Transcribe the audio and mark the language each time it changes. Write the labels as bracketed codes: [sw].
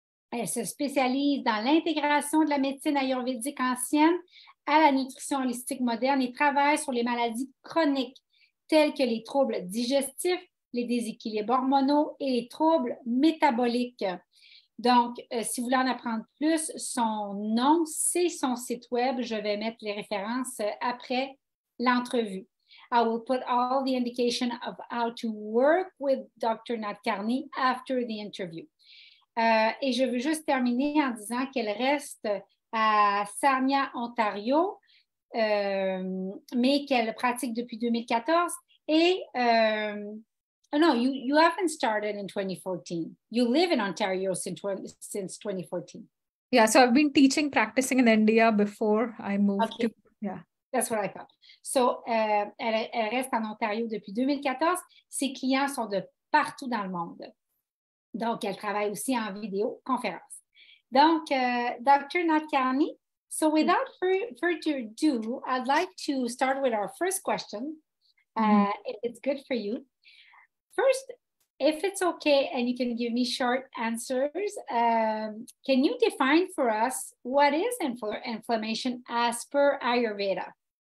[fr] Elle se spécialise dans l'intégration de la médecine ayurvédique ancienne à la nutrition holistique moderne et travaille sur les maladies chroniques telles que les troubles digestifs, les déséquilibres hormonaux et les troubles métaboliques. Donc, si vous voulez en apprendre plus, son nom, c'est son site web. Je vais mettre les références après l'entrevue. [en] I will put all the indication of how to work with Dr. Nadkarni after the interview. [fr] Et je veux juste terminer en disant qu'elle reste à Sarnia, Ontario, mais qu'elle pratique depuis 2014 et... [en] Oh, no, you haven't started in 2014. You live in Ontario since 2014. Yeah, so I've been teaching, practicing in India before I moved to... Yeah, that's what I thought. So, [fr] elle reste en Ontario depuis 2014. Ses clients sont de partout dans le monde. Donc, elle travaille aussi en vidéoconférence. Donc, Dr. [en] Nadkarni, so without further ado, I'd like to start with our first question. It's good for you. First, if it's okay and you can give me short answers, can you define for us what is inflammation as per Ayurveda?